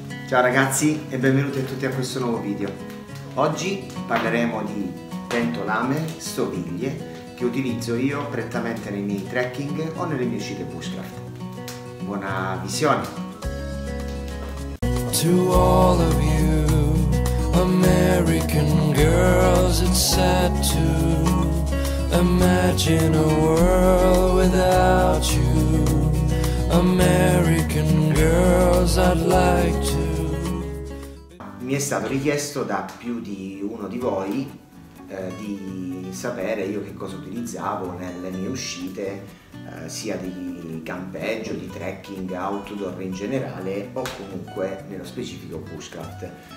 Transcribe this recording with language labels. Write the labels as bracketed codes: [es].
[it] Ciao ragazzi e benvenuti a tutti a questo nuovo video. Oggi parleremo di pentolame, stoviglie che utilizzo io prettamente nei miei trekking o nelle mie uscite bushcraft. Buona visione! [en] To all of you American girls, it's sad to imagine a world without you. American girls, I'd like to. [it] Mi è stato richiesto da più di uno di voi di sapere io che cosa utilizzavo nelle mie uscite, sia di campeggio, di trekking, outdoor in generale o comunque nello specifico bushcraft.